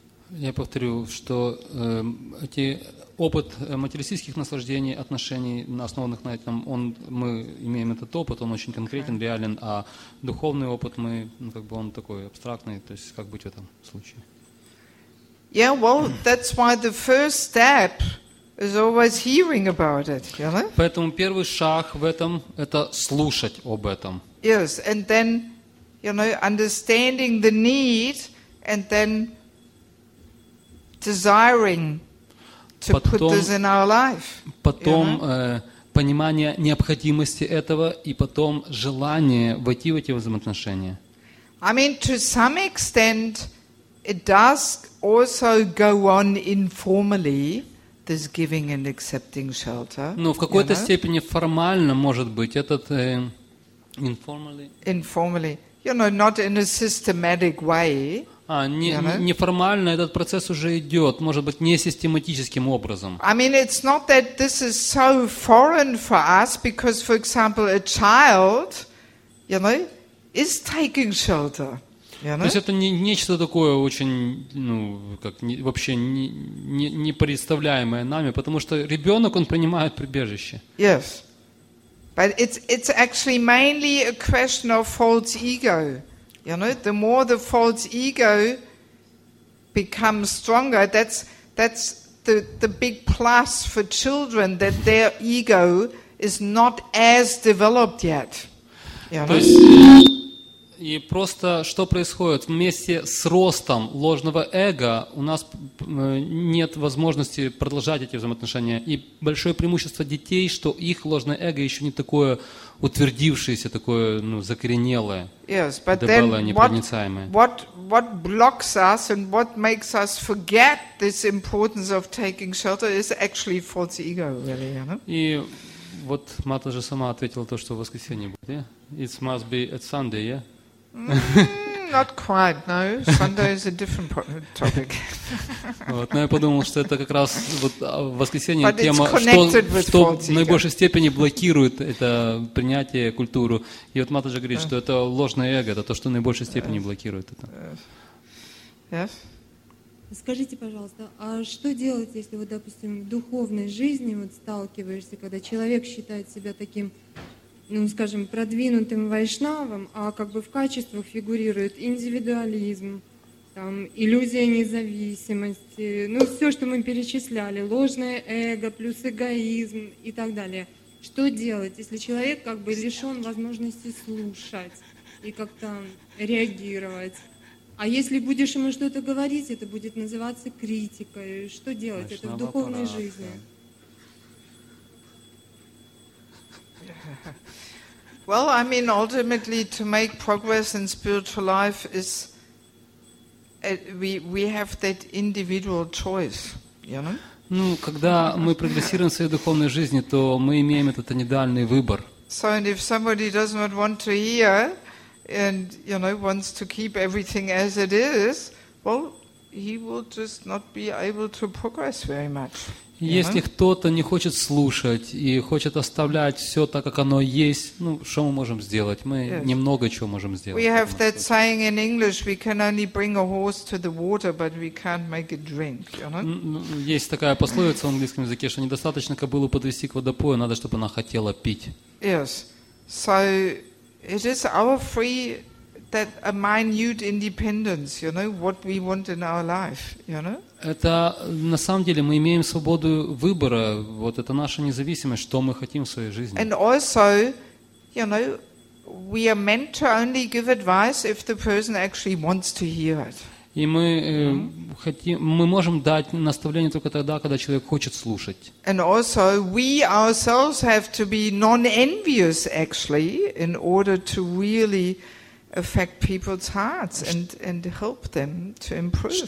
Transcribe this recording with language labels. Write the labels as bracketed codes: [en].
[ru] Я повторю, что эти опыт материалистических наслаждений, отношений, основанных на этом, мы имеем этот опыт, он очень конкретен, реален, а духовный опыт мы, ну, как бы он такой абстрактный, то есть как быть в этом случае? [en] Yeah, well, that's why the first step is always hearing about it, you know? [ru] Поэтому первый шаг в этом – это слушать об этом. [en] Yes, and then, you know, understanding the need, and then desiring to put this in our life. [ru] Потом понимание необходимости этого и потом желание войти в эти взаимоотношения. [en] I mean, to some extent, it does also go on informally, this giving and accepting shelter. [ru] Но в какой-то степени формально может быть этот [en] informally. Informally, you know, not in a systematic way. [ru] Неформально этот процесс уже идет, может быть, не систематическим образом. [en] I mean, it's not that this is so foreign for us, because, for example, a child, you know, is taking shelter. You know? [ru] То есть это нечто такое очень, ну, как вообще не представляемое нами, потому что ребенок, он принимает прибежище. [en] Yes, but it's actually mainly a question of false ego. You know, the more the false ego becomes stronger, that's the big plus for children, that their ego is not as developed yet. You know? [ru] То есть, и просто что происходит? Вместе с ростом ложного эго у нас нет возможности продолжать эти взаимоотношения. И большое преимущество детей, что их ложное эго еще не такое утвердившееся такое, ну, закоренелое, дебелое, непроницаемое. [en] What blocks us and what makes us forget this importance of taking shelter is actually false ego, really, you know? [ru] И вот Мата же сама ответила то, что в воскресенье будет, yeah? [en] It must be at Sunday, yeah? Not quite, no. Sunday is a different topic. [ru] Вот, но я подумал, что это как раз вот воскресенье тема, что в наибольшей степени блокирует это принятие культуру. И вот Матаджи говорит, что это ложное эго, это то, что в наибольшей степени блокирует это. Скажите, пожалуйста, а что делать, если вот, допустим, в духовной жизни вот сталкиваешься, когда человек считает себя таким, ну, скажем, продвинутым вайшнавом, а как бы в качествах фигурирует индивидуализм, там, иллюзия независимости, ну, все, что мы перечисляли, ложное эго плюс эгоизм и так далее. Что делать, если человек как бы лишен возможности слушать и как-то реагировать? А если будешь ему что-то говорить, это будет называться критикой. Что делать? Вайшнава это в духовной жизни. [en] Well, I mean, ultimately, to make progress in spiritual life is we have that individual choice, you know? [ru] Ну, когда мы прогрессируем в своей духовной жизни, то мы имеем этот индивидуальный выбор. [en] So, and if somebody does not want to hear and, you know, wants to keep everything as it is, well, he will just not be able to progress very much. [ru] Если кто-то не хочет слушать и хочет оставлять все так, как оно есть, ну, что мы можем сделать? Мы немного чего можем сделать. [en] We have that saying in English, we can only bring a horse to the water, but we can't make it drink. [ru] Есть такая пословица в английском языке, что недостаточно кобылу подвести к водопою, надо, чтобы она хотела пить. [en] Yes. So, it is our free, that a minute independence, you know, what we want in our life, you know? [ru] Это на самом деле мы имеем свободу выбора, вот это наша независимость, что мы хотим в своей жизни. [en] And also, you know, we are meant to only give advice if the person actually wants to hear it. [ru] И мы хотим, мы можем дать наставление только тогда, когда человек хочет слушать. [en] And also, we ourselves have to be non-envious actually in order to really affect people's hearts and help them to improve.